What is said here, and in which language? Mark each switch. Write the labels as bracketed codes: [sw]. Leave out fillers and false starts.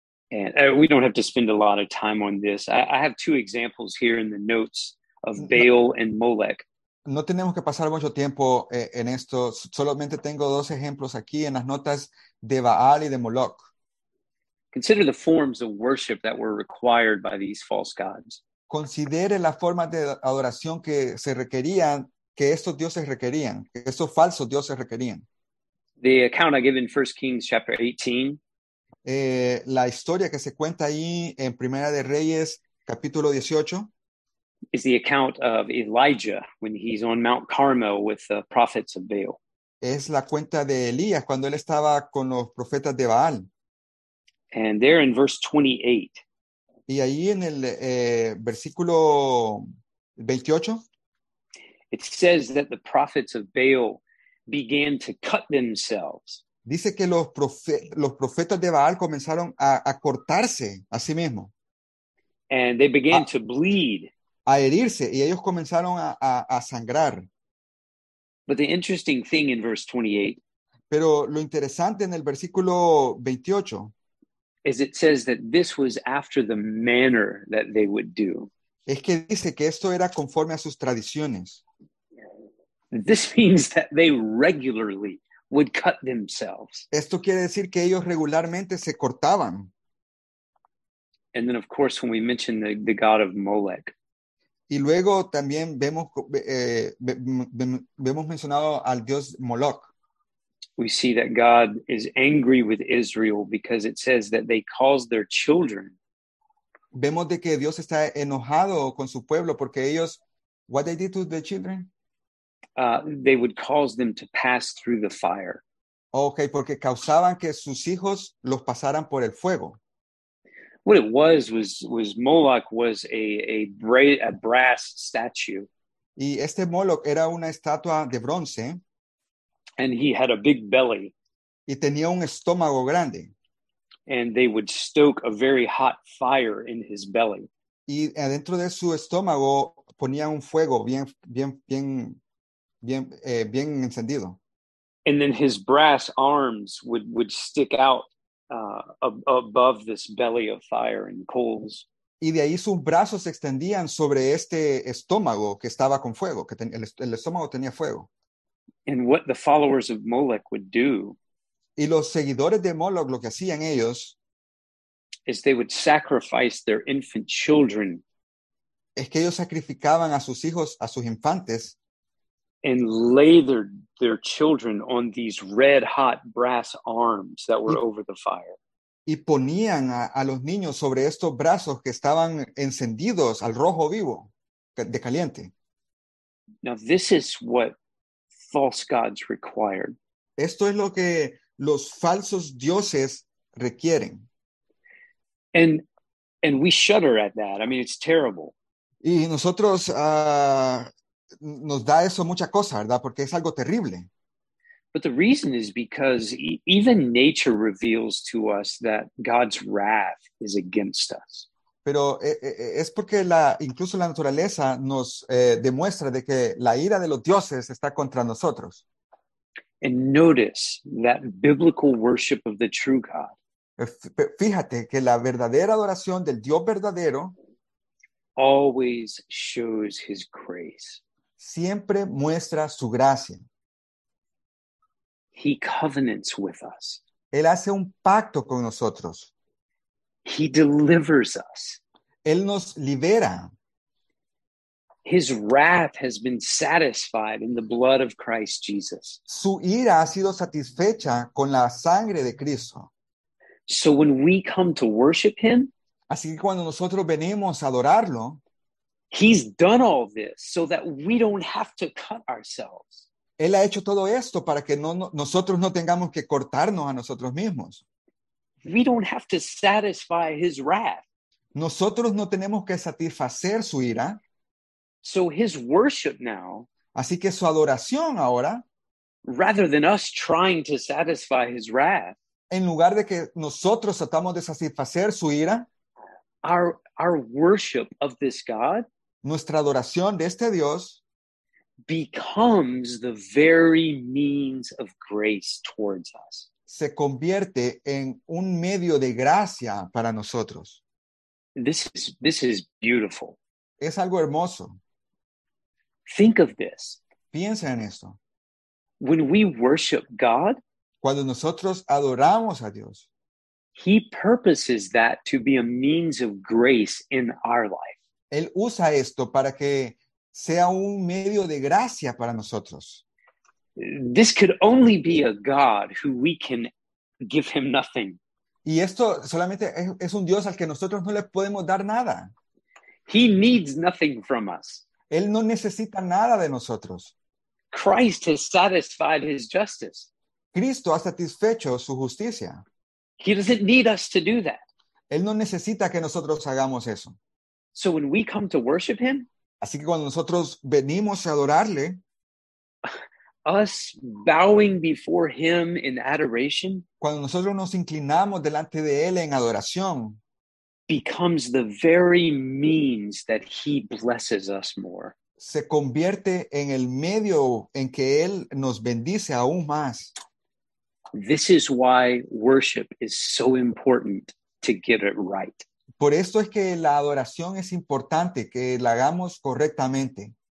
[en] And we don't have to spend a lot of time on this. I have two examples here in the notes of Baal and Molech. [es] No tenemos que pasar mucho tiempo en esto. Solamente tengo dos ejemplos aquí en las notas de Baal y de Moloch. [en] Consider the forms of worship that were required by these false gods. [es] Considere las formas de adoración que se requerían, que estos dioses requerían, que estos falsos dioses requerían. [en] The account I give in 1 Kings chapter 18. [es] La historia que se cuenta ahí en Primera de Reyes, capítulo 18. [en] Is the account of Elijah when he's on Mount Carmel with the prophets of Baal. [es] Es la cuenta de Elías cuando él estaba con los profetas de Baal. [en] And there in verse 28. [es] Y ahí en el versículo 28. [en] It says that the prophets of Baal began to cut themselves. [es] Dice que los profetas de Baal comenzaron a cortarse a sí mismos. [en] And they began to bleed. [es] A herirse y ellos comenzaron a sangrar. [en] But the interesting thing in verse 28. [es] Pero lo interesante en el versículo 28. [en] Is it says that this was after the manner that they would do. [es] Es que dice que esto era conforme a sus tradiciones. [en] This means that they regularly would cut themselves. [es] Esto quiere decir que ellos regularmente se cortaban. [en] And then of course when we mention the God of Molech. [es] Y luego también vemos mencionado al Dios Moloch. [en] We see that God is angry with Israel because it says that they caused their children. [es] Vemos de que Dios está enojado con su pueblo porque ellos, [en] what they did to the children? They would cause them to pass through the fire. [es] Okay, porque causaban que sus hijos los pasaran por el fuego. [en] What it was Moloch was a brass statue. [es] Y este Moloch era una estatua de bronce. [en] And he had a big belly. [es] Y tenía un estómago grande. [en] And they would stoke a very hot fire in his belly. [es] Y adentro de su estómago ponía un fuego bien encendido. [en] And then his brass arms would stick out above this belly of fire and coals. [es] Y de ahí sus brazos se extendían sobre este estómago que estaba con fuego, que el estómago tenía fuego. [en] And what the followers of Molech would do. [es] Y los seguidores de Moloch lo que hacían ellos. [en] Is they would sacrifice their infant children. [es] Es que ellos sacrificaban a sus hijos, a sus infantes. [en] And lathered their children on these red hot brass arms that were over the fire. [es] y ponían a los niños sobre estos brazos que estaban encendidos al rojo vivo, de caliente. [en] Now, this is what false gods required. [es] Esto es lo que los falsos dioses requieren. [en] And we shudder at that. I mean, it's terrible. [es] Y nosotros nos da eso mucha cosa, ¿verdad? Porque es algo terrible. [en] But the reason is because even nature reveals to us that God's wrath is against us. [es] Pero es porque incluso la naturaleza nos demuestra de que la ira de los dioses está contra nosotros. [en] And notice that biblical worship of the true God [es] Fíjate que la verdadera adoración del Dios verdadero [en] always shows his grace. [es] siempre muestra su gracia. [en] He covenants with us. [es] Él hace un pacto con nosotros. [en] He delivers us. [es] Él nos libera. [en] His wrath has been satisfied in the blood of Christ Jesus. [es] Su ira ha sido satisfecha con la sangre de Cristo. [en] So when we come to worship him, [es] Así que cuando nosotros venimos a adorarlo, [en] he's done all this so that we don't have to cut ourselves. [es] Él ha hecho todo esto para que no, nosotros no tengamos que cortarnos a nosotros mismos. [en] We don't have to satisfy his wrath. [es] Nosotros no tenemos que satisfacer su ira. [en] So his worship now, [es] Así que su adoración ahora, [en] rather than us trying to satisfy his wrath, [es] en lugar de que nosotros tratamos de satisfacer su ira, [en] our worship of this God [es] nuestra adoración de este Dios [en] becomes the very means of grace towards us. [es] se convierte en un medio de gracia para nosotros. [en] This is beautiful. [es] Es algo hermoso. [en] Think of this. [es] Piensa en esto. [en] When we worship God, [es] Cuando nosotros adoramos a Dios, [en] He purposes that to be a means of grace in our life. [es] Él usa esto para que sea un medio de gracia para nosotros. [en] This could only be a God who we can give him nothing. [es] Y esto solamente es un Dios al que nosotros no le podemos dar nada. [en] He needs nothing from us. [es] Él no necesita nada de nosotros. [en] Christ has satisfied his justice. [es] Cristo ha satisfecho su justicia. [en] He doesn't need us to do that. [es] Él no necesita que nosotros hagamos eso. [en] So when we come to worship him, [es] Así que cuando nosotros venimos [en] us bowing before him in adoration [es] cuando nosotros nos inclinamos delante de Él en adoración, [en] becomes the very means that he blesses us more. [es] se convierte en el medio en que Él nos bendice aún más. [en] This is why worship is so important to get it right. [es] Por esto es que la adoración es importante, que la hagamos correctamente.